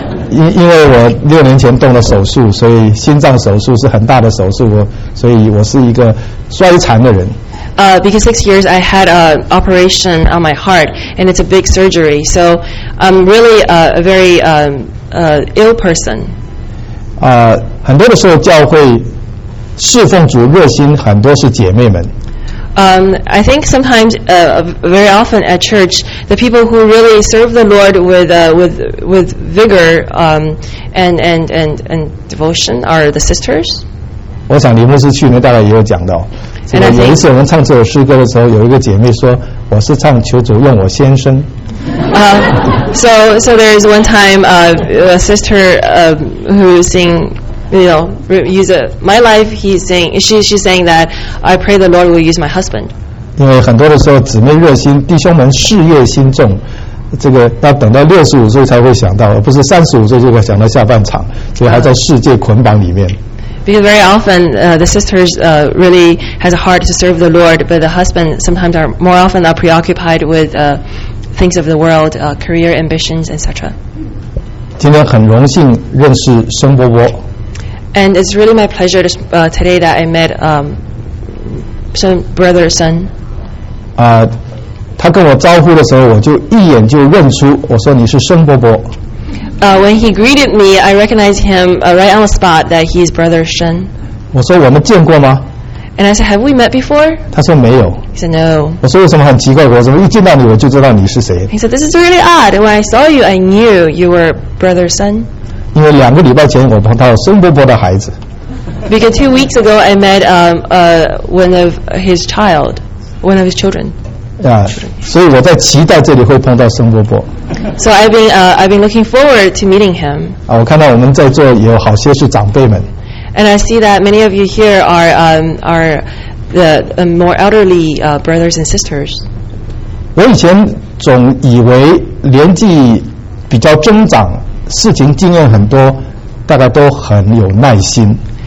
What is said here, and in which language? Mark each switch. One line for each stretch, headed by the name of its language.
Chinese: 因为我六年前动了手术，所以心脏手术是很大的手术，所以我是一个衰残的人。
English: Because 6 years I had an operation on my heart, and it's a big surgery, so I'm really a very ill person.
Chinese: 很多的时候教会侍奉主热心很多是姐妹们。
English: I think sometimes, very often at church, the people who really serve the Lord with vigor and devotion are the sisters.
Chinese: 我想李牧师去年大概也有讲到。
English: And、
Chinese: 有一次我们唱这首诗歌的时候，有一个姐妹说：“我是唱求主用我先生。
English: ”So there is one time a sister who sing, you know, use my life. She's saying that I pray the Lord will use my husband.
Chinese: 因为很多的时候，姊妹热心，弟兄们事业心重，这个要等到65岁才会想到，而不是35岁就会想到下半场，所以还在世界捆绑里面。
English: Because very often the sisters really has a heart to serve the Lord, but the husband sometimes are more often are preoccupied with things of the world, career ambitions, etc.
Chinese: 今天很荣幸认识孙波波。
English: And it's really my pleasure to, today that I met some brother son.
Chinese: 他跟我招呼的时候，我就一眼就认出，我说你是孙波波。
English: When he greeted me, I recognized him right on the spot that he's brother Shen.
Chinese: 我说我们见过吗？
English: And I said, have we met before?
Chinese: 他说没有。
English: He said, no.
Chinese: 我说有什么很奇怪？我怎么一见到你我就知道你是谁？
English: He said, this is really odd. When I saw you, I knew you were brother Shen.
Chinese: 因为两个礼拜前我碰到孙伯伯的孩子。
English: Because 2 weeks ago, I met one of his children.
Chinese: Yeah, 所以我在期待这里会碰到孙伯伯。
English: So I've been looking forward to meeting him.
Chinese: 我看到我们在座有好些是长辈们。
English: And I see that many of you here are the more elderly brothers and sisters.
Chinese: 我以前总以为年纪比较中长，事情经验很多，大概都很有耐心。